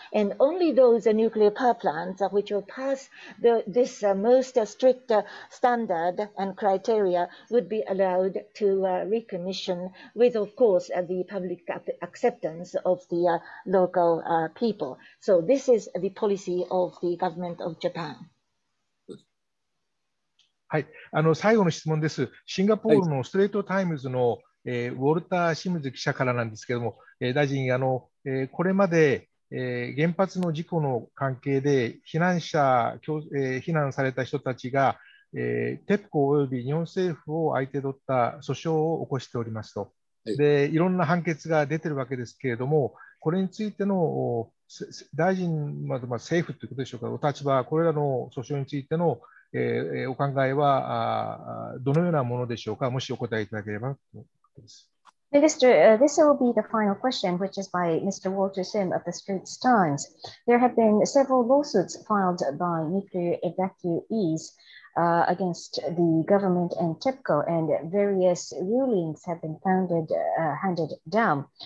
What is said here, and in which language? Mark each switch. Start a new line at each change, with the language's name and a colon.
English: And only those nuclear power plants which will pass this most strict standard and criteria would be allowed to recommission, with of course the public acceptance of the local people. So this is the policy of the government of Japan.
Japanese: はい、最後の質問です。シンガポールのストレートタイムズの、ウォルター・シムズ記者からなんですけども、大臣、これまで、原発の事故の関係で避難者、避難された人たちが、TEPCO および日本政府を相手取った訴訟を起こしておりますと、はい、でいろんな判決が出てるわけですけれども、これについての大臣、政府ということでしょうか、お立場、これらの訴訟についてのお考えはどのようなものでしょうか、もしお答えいただければと思います。
English: Minister, this will be the final question, which is by Mr. Walter Sim of the Straits Times. There have been several lawsuits filed by nuclear evacuees against the government and TEPCO, and various rulings have been handed down.